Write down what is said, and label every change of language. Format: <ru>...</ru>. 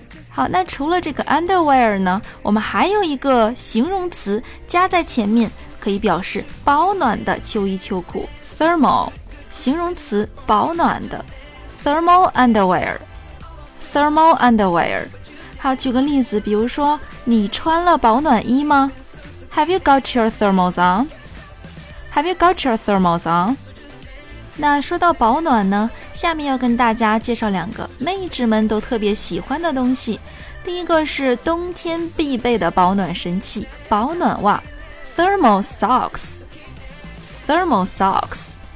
<zh>好，那除了这个 underwear 呢，我们还有一个形容词加在前面，可以表示保暖的秋衣秋裤 ，thermal， 形容词保暖的 ，thermal underwear。</zh> <en>Thermal underwear.</en> <zh>好，举个例子，比如说，你穿了保暖衣吗？</zh> <en>Have you got your thermals on? Have you got your thermals on?</en> <zh>那说到保暖呢，下面要跟大家介绍两个妹纸们都特别喜欢的东西。第一个是冬天必备的保暖神器，保暖袜 ，thermal socks.</zh> <en>Thermal socks.</en>